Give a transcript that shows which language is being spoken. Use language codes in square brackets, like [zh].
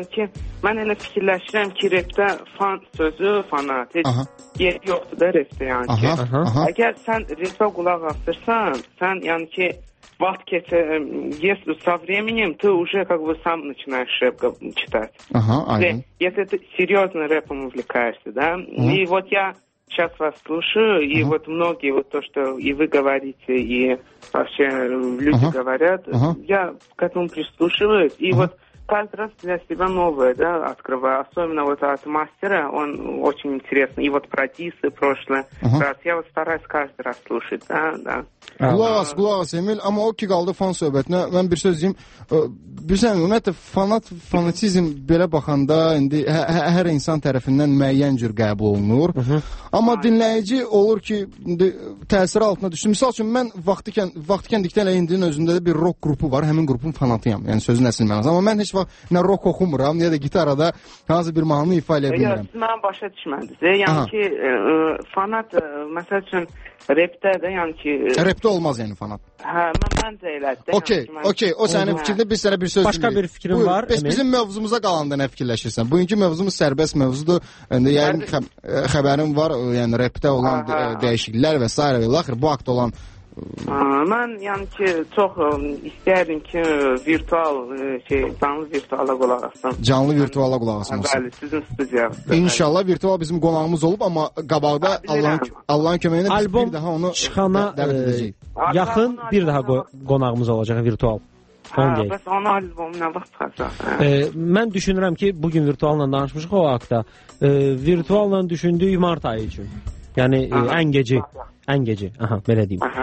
[az] Yəni ki, mən elə fikirləşirəm ki, webdə fan sözü fanat. Heç yer yoxdur da webdə, yəni ki. Aha. Əgər sən reza qulaq asırsan, sən, yəni ki, vaxt keçir, yes, [ru] со временем ты уже как бы сам начинаешь рэп читать. Ага, ты, если ты серьезно рэпом увлекаешься, да? И вот я сейчас вас слушаю, и вот многие, вот то, что и вы говорите, и вообще люди говорят, я к этому прислушиваюсь, и вот каждый раз для себя новое, да, открываю, особенно вот от мастера, он очень интересный, и вот про диссы прошлое, раз, я вот стараюсь каждый раз слушать, да, да. [az] Qulaq as, Emil, amma o ki qaldı fan söhbətinə, mən bir söz deyim, bilirsən, ümumiyyətlə, fanatizm belə baxanda indi hər insan tərəfindən müəyyən cür qəbul olunur, amma dinləyici olur ki, indi, təsiri altına düşsün. Misal üçün, mən vaxtikən dikdən indinin özündə də bir rock qrupu var, həmin qrupun fanatıyam, yəni sözün əsli mənası, amma mən heç vaxt nə rock oxumuram, nə də gitarada hansı bir mahnı ifa edə bilmirəm. Yox, siz mənə başa düşməndiniz, yəni ki, fanat, məsəl üçün, Rapdə də, yəni ki... Rapdə olmaz, yəni fanat. Hə, mən də elədir. Okey, yəni, okey, o sənin fikrində biz sənə bir söz başqa dinləyik. Başqa bir fikrim buyur, var. Buyur, bizim mövzumuza qalanda nə fikirləşirsən? Bugünkü mövzumuz sərbəst mövzudur. Yəni, xəbərim var, yəni rapdə olan dəyişikliklər və s. və ilaxır, bu haqda olan... Mən, yəni ki, çox istəyərdim ki, virtual, canlı virtuala qulaq asın. Canlı virtuala qulaq asın olsun. Bəli, sizin studiyanızda. İnşallah, virtual bizim qonağımız olub, amma qabaqda Allahın köməyində biz album bir daha onu çıxana, dəvət edəcəyik. Yaxın bir daha qonağımız olacaq virtual. Bəs onu albumu nə vaxt çıxacaq? Mən düşünürəm ki, bugün virtualla danışmışıq o haqda. Virtualla düşündüyü mart ayı üçün. Yəni, ən gecə, aha, belə deyim.